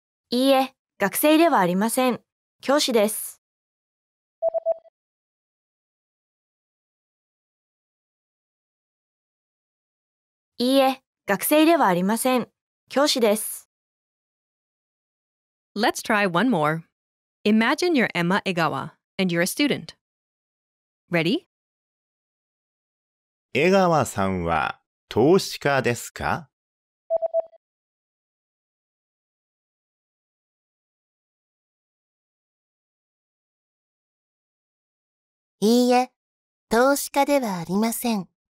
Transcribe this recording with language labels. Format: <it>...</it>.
<ja>いいえ、学生ではありません。教師です。いいえ、学生ではありません。教師です。</ja> <en>Let's try one more. Imagine you're Emma Egawa and you're a student. Ready?</en> <ja>江川さんは投資家ですか？いいえ、投資家ではありません。</ja>